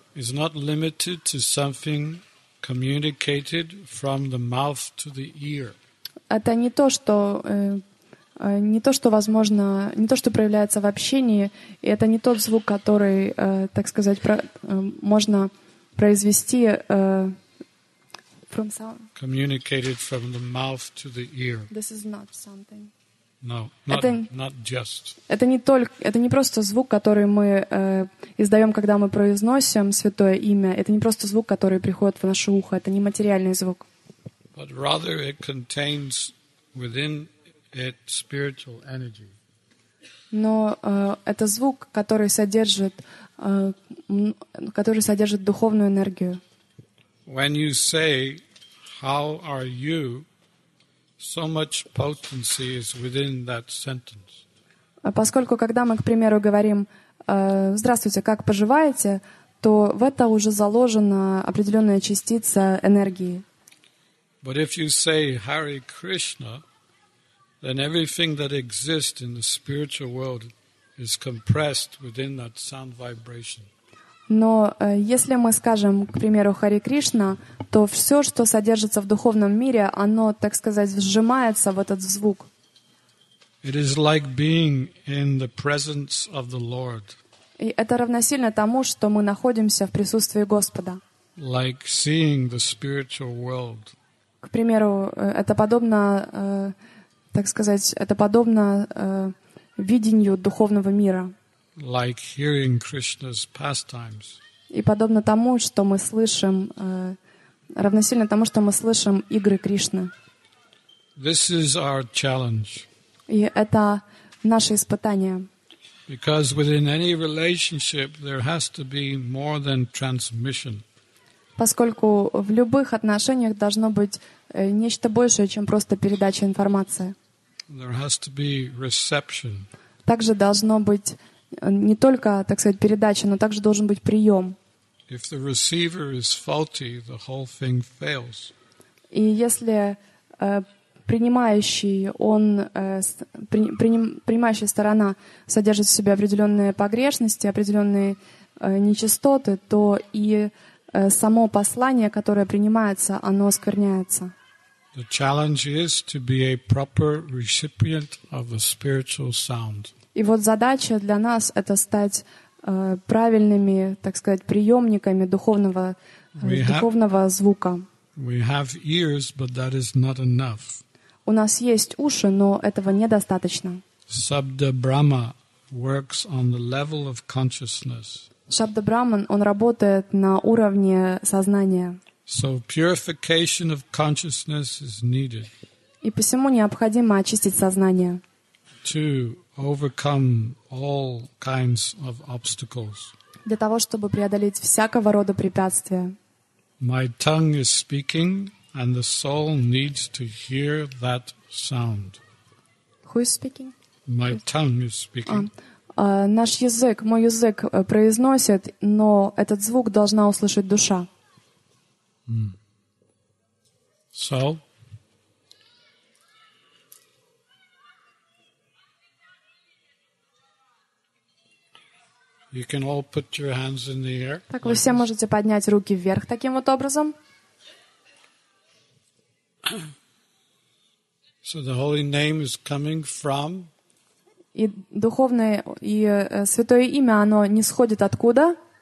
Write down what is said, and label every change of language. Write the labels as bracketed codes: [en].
[en] Is not limited to something communicated from the mouth to the ear. [ru] Это не то, что не то, что проявляется в общении, и это не тот звук, который, так сказать, можно произвести [en] from sound. Communicated from the mouth to the ear. This is not something. No, not just. [ru] Это не просто звук, который мы издаем, когда мы произносим святое имя. Это не просто звук, который приходит в наше ухо. Это не материальный звук. [en] But rather it contains within it spiritual energy. [ru] Но это звук, который содержит духовную энергию. [en] When you say how are you, so much potency is within that sentence. [ru] Поскольку когда мы, к примеру, говорим здравствуйте, как поживаете, то в это уже заложена определенная частица энергии. [en] But if you say Hare Krishna, then everything that exists in the spiritual world is compressed within that sound vibration. [ru] Но если мы скажем, к примеру, Хари Кришна, то все, что содержится в духовном мире, оно, так сказать, сжимается в этот звук. [en] It is like being in the presence of the Lord. [ru] И это равносильно тому, что мы находимся в присутствии Господа. [en] Like seeing the spiritual world. [ru] к примеру, это подобно, так сказать, это подобно видению духовного мира. [en] Like hearing Krishna's pastimes. [ru] И подобно тому, что мы слышим, равносильно тому, что мы слышим игры Кришны. [en] This is our challenge. [ru] И это наше испытание. [en] Because within any relationship there has to be more than transmission. [ru] Поскольку в любых отношениях должно быть нечто большее, чем просто передача информации. [en] There has to be reception. [ru] Также должно быть не только, так сказать, передача, но также должен быть прием. [en] If the receiver is faulty, the whole thing fails. [ru] И если принимающий, он, принимающая сторона содержит в себе определенные погрешности, определенные нечистоты, то и само послание, которое принимается, оно оскверняется. [en] The challenge is to be a proper recipient of the spiritual sound. [ru] И вот задача для нас — это стать правильными, так сказать, приемниками духовного, духовного звука. [en] We have ears, but that is not enough. [ru] У нас есть уши, но этого недостаточно. [en] Шабда-брама works on the level of consciousness. [ru] Шабда-браман, он работает на уровне сознания. [en] So purification of consciousness is needed. [ru] И посему необходимо очистить сознание. [en] To overcome all kinds of obstacles. [ru] Для того, чтобы преодолеть всякого рода препятствия. [en] My tongue is speaking. And the soul needs to hear that sound. Who is speaking? My tongue is speaking. [ru] Наш язык, мой язык произносит, но этот звук должна услышать душа. [en] Mm. So? You can all put your hands in the air. [ru] Так, вы все можете поднять руки вверх таким вот образом. [en] So the holy name is coming from. [ru] И духовное и святое имя оно не сходит откуда?